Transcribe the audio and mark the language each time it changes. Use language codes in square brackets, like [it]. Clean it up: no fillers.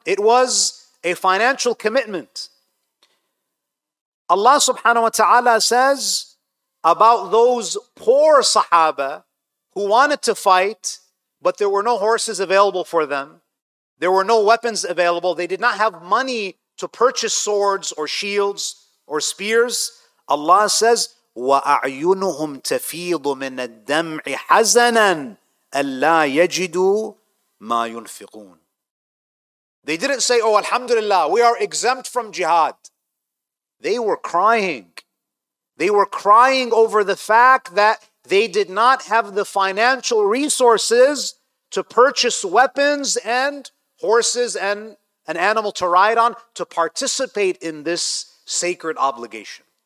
[en] It was a financial commitment. Allah subhanahu wa ta'ala says about those poor sahaba who wanted to fight, but there were no horses available for them. There were no weapons available. They did not have money to purchase swords or shields or spears. [ar] Allah says, وَأَعْيُنُهُمْ تَفِيضُ مِنَ الدَّمْعِ حَزَنًا أَلَّا يَجِدُوا مَا يُنْفِقُونَ. [en] They didn't say, oh, alhamdulillah, we are exempt from jihad. They were crying. They were crying over the fact that they did not have the financial resources to purchase weapons and horses and an animal to ride on to participate in this sacred obligation.